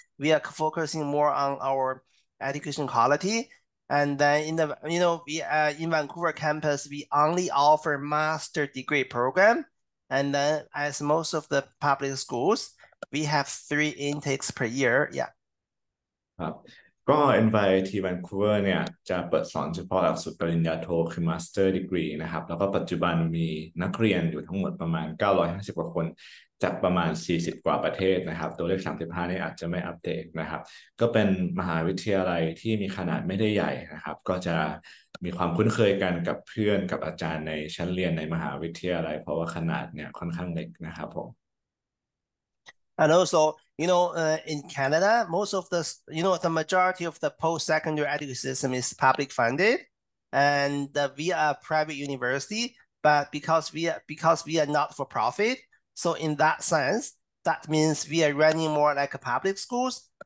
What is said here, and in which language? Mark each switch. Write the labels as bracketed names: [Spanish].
[English] We are focusing more on our education quality. And then in the, you know, we in Vancouver campus, we only offer master degree program. And then as most of the public schools, we have 3 intakes per year. Yeah. [Thai] ก็ MBA Vancouver เนี่ยจะเปิดสอนเฉพาะหลักสูตรปริญญาโทคือ Master Degree นะครับแล้วก็ปัจจุบันมีนักเรียนอยู่ทั้งหมดประมาณ950กว่าคนจากประมาณ40กว่าประเทศนะครับตัวเลข35นี่อาจจะไม่อัปเดตนะครับก็เป็นมหาวิทยาลัยที่มีขนาดไม่ได้ใหญ่นะครับก็จะมีความคุ้นเคยกันกับเพื่อนกับอาจารย์ในชั้นเรียนในมหาวิทยาลัยเพราะว่าขนาดเนี่ยค่อนข้างเล็กนะครับผม [English] And also, you know, in Canada, most of the, you know, the majority of the post-secondary education system is public funded, and we are a private university, but because we are not for profit, so in that sense, that means we are running more like a public schools.